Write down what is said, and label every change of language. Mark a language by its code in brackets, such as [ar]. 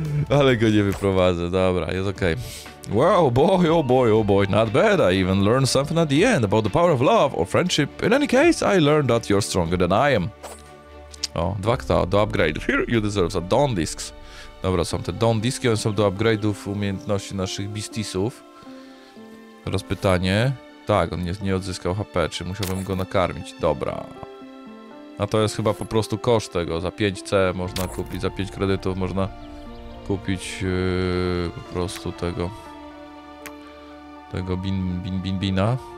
[pl] Ale go nie wyprowadzę, dobra, jest okej. [en] Okay. Wow, boy, oh boy, oh boy, not bad. I even learned something at the end about the power of love or friendship. In any case, I learned that you're stronger than I am. O, 2 kta, do upgrade. Here you deserve some Dawn Discs. [pl] Dobra, są te Dawn Discs, one są do upgrade'ów umiejętności naszych beastisów. Teraz pytanie. Tak, on nie odzyskał HP, czy musiałbym go nakarmić? Dobra. A to jest chyba po prostu koszt tego. Za 5C można kupić, za 5 kredytów można kupić po prostu tego bina.